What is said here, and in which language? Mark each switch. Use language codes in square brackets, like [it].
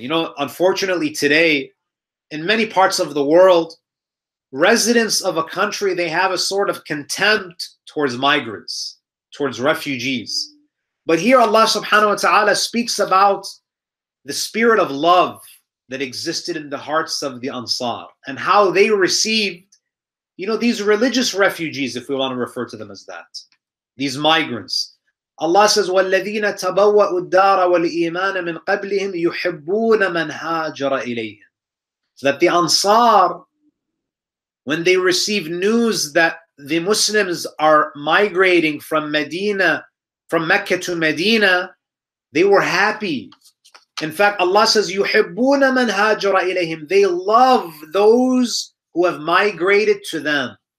[en] You know, unfortunately today, in many parts of the world, residents of a country, they have a sort of contempt towards migrants, towards refugees. But here Allah subhanahu wa ta'ala speaks about the spirit of love that existed in the hearts of the Ansar and how they received, you know, these religious refugees, if we want to refer to them as that, these migrants. Allah says, [ar] وَالَّذِينَ تَبَوَّأُوا الدَّارَ وَالْإِيمَانَ مِنْ قَبْلِهِمْ يُحِبُّونَ مَنْ هَاجَرَ إِلَيْهِمْ. [en] That the Ansar, when they receive news that the Muslims are migrating from Medina, from Mecca to Medina, they were happy. In fact, Allah says, [ar] يُحِبُّونَ مَنْ هَاجَرَ إِلَيْهِمْ. [en] They love those who have migrated to them.